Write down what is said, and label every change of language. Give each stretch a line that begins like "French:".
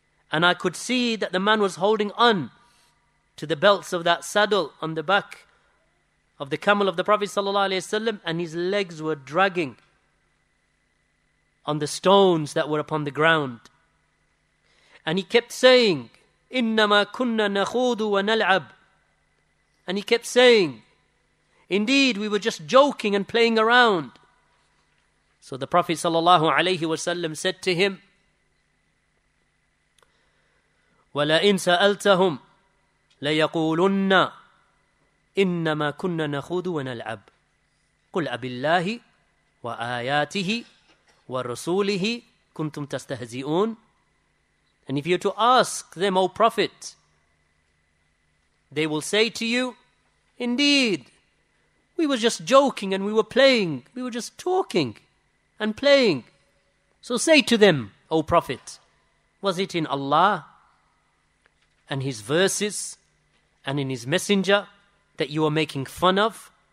English: And I could see that the man was holding on to the belts of that saddle on the back of the camel of the Prophet sallallahu alayhi wasallam, and his legs were dragging on the stones that were upon the ground. And he kept saying,
Arabic: إِنَّمَا كُنَّا نَخُوضُ وَنَلْعَبُ.
English: And he kept saying, indeed, we were just joking and playing around. So the Prophet sallallahu alayhi wasallam said to him,
Arabic: وَلَئِنْ سَأَلْتَهُمْ لَيَقُولُنَّ إِنَّمَا كُنَّا نَخُوضُ وَنَلْعَبُ قُلْ أَبِاللَّهِ وَآيَاتِهِ وَرَسُولِهِ كُنْتُمْ تَسْتَهْزِئُونَ.
English: And if you were to ask them, O Prophet, they will say to you, indeed, we were just joking and we were playing. We were just talking and playing. So say to them, O Prophet, was it in Allah and His verses and in His Messenger that you are making fun of?